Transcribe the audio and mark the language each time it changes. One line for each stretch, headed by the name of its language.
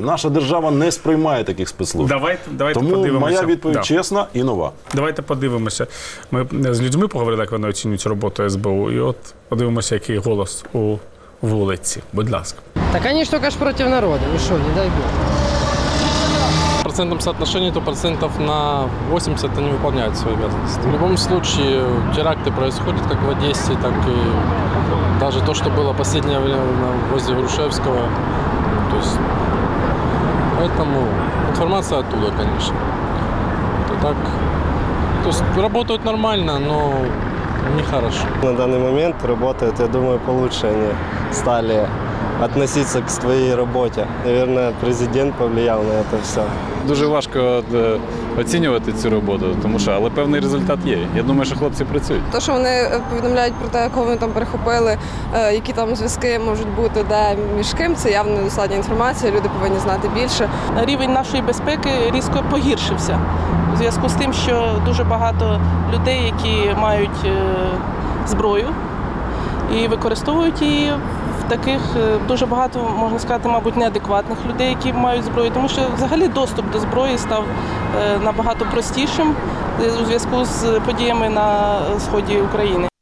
Ukrainian: Наша держава не сприймає таких спецслужб. Давайте тому подивимося. Моя відповідь чесна і нова. Давайте подивимося. Ми з людьми поговорили, як вони оцінюють роботу СБУ. І от подивимося, який голос у вулиці. Будь ласка. Та, звісно, каже проти народу. Ви що, не дай Бог.
Russian: Процентом соотношений, то процентов на 80 они выполняют свои обязанности. В любом случае, теракты происходят как в Одессе, так и даже то, что было последнее время возле Грушевского. То есть, поэтому информация оттуда, конечно. То есть, работают нормально, но нехорошо. На данный момент работают, я думаю, получше они стали относиться к своей работе. Наверное, президент повлиял на это все.
Ukrainian: Дуже важко оцінювати цю роботу, тому що, але певний результат є. Я думаю, що хлопці працюють. То, що вони повідомляють про те, кого вони там перехопили, які там зв'язки можуть бути, де, між ким, це явно недостатня інформація, люди повинні знати більше. Рівень нашої безпеки різко погіршився у зв'язку з тим, що дуже багато людей, які мають зброю і використовують її, таких дуже багато, можна сказати, мабуть, неадекватних людей, які мають зброю, тому що взагалі доступ до зброї став набагато простішим у зв'язку з подіями на сході України.